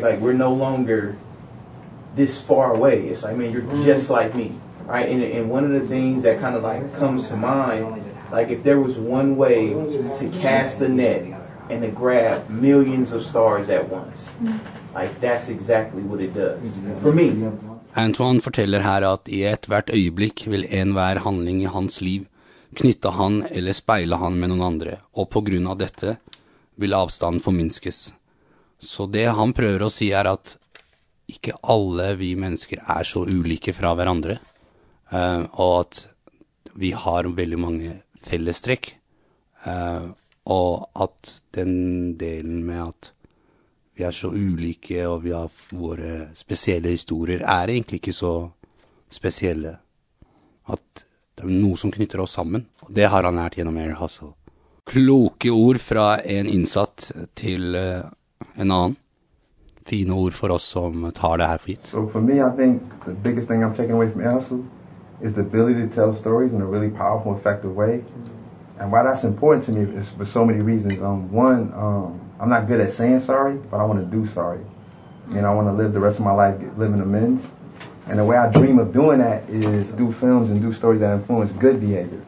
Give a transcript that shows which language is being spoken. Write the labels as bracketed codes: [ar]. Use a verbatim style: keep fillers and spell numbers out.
[en] Like, we're no longer this far away. It's like, man, you're mm. just like me. Right, and, and one of the things that kind of like comes to mind, like if there was one way to cast the net and to grab millions of stars at once, like that's exactly what it does for me. [no] Antoine forteller her at i et hvert øyeblikk vil enhver handling i hans liv knytte han eller speile han med noen andre, og på grunn av dette vil avstanden forminskes. Så det han prøver å si er at ikke alle vi mennesker er så ulike fra hverandre, Uh, og at vi har veldig mange fellestrekk, uh, og at den delen med at vi er så ulike og vi har våre spesielle historier er egentlig ikke så spesielle, at det er noe som knytter oss sammen, og det har han lært gjennom Air Hustle. Kloke ord fra en innsatt til uh, en annen. Fine ord for oss som tar det her for gitt. [en] So for me, I think the biggest thing I'm taking away from Air Hustle is the ability to tell stories in a really powerful, effective way. And why that's important to me is for so many reasons. Um, one, um, I'm not good at saying sorry, but I want to do sorry. You know, I want to live the rest of my life living amends. And the way I dream of doing that is do films and do stories that influence good behavior.